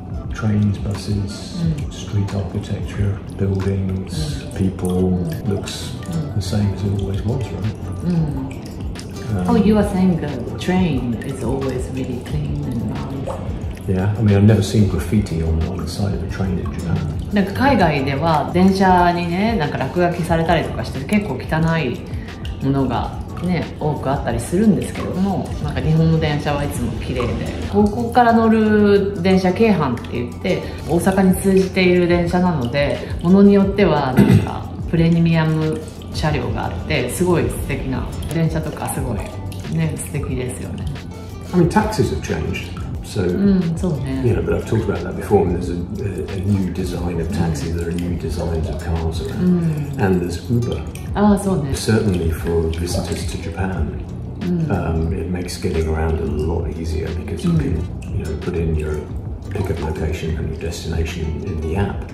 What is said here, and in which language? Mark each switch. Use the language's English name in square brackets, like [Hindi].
[English] Trains, buses, street architecture, buildings, people, looks the same as it always was, right? You are saying the train is always really clean and nice. Yeah, I mean, I've never seen graffiti on the side of a train in Japan. [Japanese] Like, 海外では電車にね、なんか落書きされたりとかして結構汚いものがね、多くあったりするんですけども、なんか日本の電車はいつも綺麗で、東京から乗る電車京阪って言って、大阪に通じている電車なので、ものによってはなんかプレミアム車両があって、すごい素敵な電車とかすごいね、素敵ですよね。 [English] I mean, taxes have changed. So, you know, but I've talked about that before. And there's a new design of taxi. There are new designs of cars around. And there's Uber. [Japanese] Ah, so ne. [English] Certainly for visitors to Japan, it makes getting around a lot easier because you can, you know, put in your pickup location and your destination in the app.